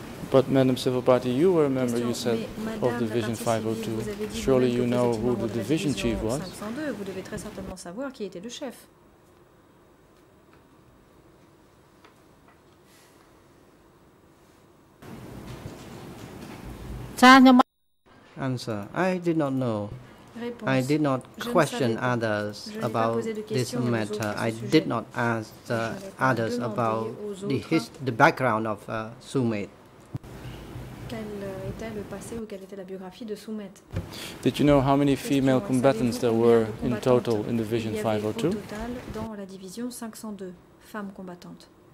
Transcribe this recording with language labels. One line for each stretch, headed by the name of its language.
English: But Madam Civil Party, you were a member, you said, of division 502. Surely you know who the division chief was.
French: Vous devez très certainement savoir qui était le chef.
English: Answer. I did not know.
French: Réponse.
English: I did not question others about this matter. I did not ask others about the background of Sumet.
French: Quel était le passé ou quelle était la biographie de Sumet?
English: Did you know how many female combatants there were in total in Division 502?
French: Il y avait au total dans la division 502 femmes combattantes.